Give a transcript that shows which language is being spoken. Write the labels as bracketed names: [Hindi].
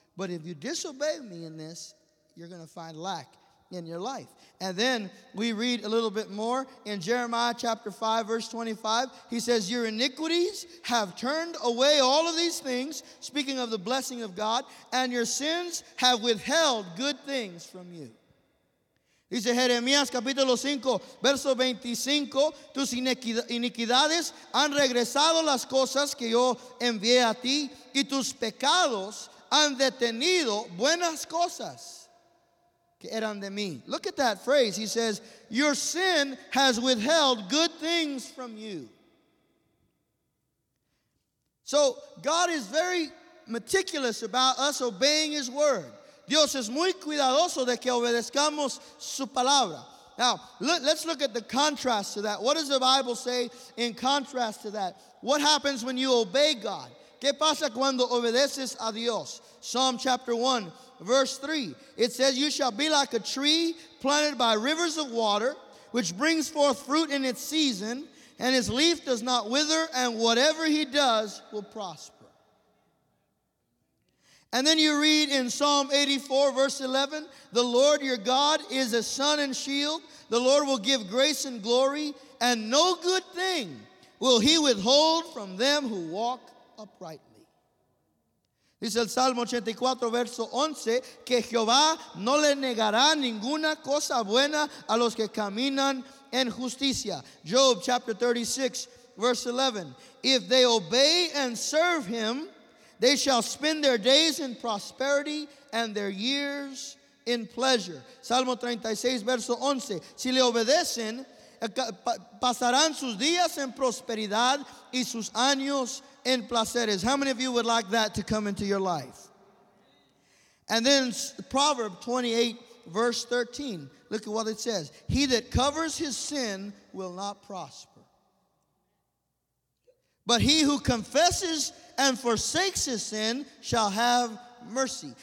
[English] But if you disobey me in this, you're going to find lack in your life. And then we read a little bit more in Jeremiah chapter 5, verse 25. He says, your iniquities have turned away all of these things, speaking of the blessing of God, and your sins have withheld good things from you. [Spanish] Dice Jeremías capítulo 5, verso 25, tus iniquidades han regresado las cosas que yo envié a ti, y tus pecados han detenido buenas cosas. [English] Look at that phrase. He says, your sin has withheld good things from you. So God is very meticulous about us obeying his word. [Spanish] Dios es muy cuidadoso de que obedezcamos su palabra. [English] Now, let's look at the contrast to that. What does the Bible say in contrast to that? What happens when you obey God? [Spanish] ¿Qué pasa cuando obedeces a Dios? [English] Psalm chapter 1. Verse 3, it says, you shall be like a tree planted by rivers of water, which brings forth fruit in its season, and his leaf does not wither, and whatever he does will prosper. And then you read in Psalm 84, verse 11, the Lord your God is a sun and shield. The Lord will give grace and glory, and no good thing will he withhold from them who walk uprightly. [Spanish] Dice el Salmo 84, verso 11, que Jehová no le negará ninguna cosa buena a los que caminan en justicia. [English] Job chapter 36, verse 11, if they obey and serve him, they shall spend their days in prosperity and their years in pleasure. [Spanish] Salmo 36, verso 11, si le obedecen, pasarán sus días en prosperidad y sus años in placeres. [English] How many of you would like that to come into your life? And then Proverbs 28, verse 13. Look at what it says. He that covers his sin will not prosper. But he who confesses and forsakes his sin shall have mercy.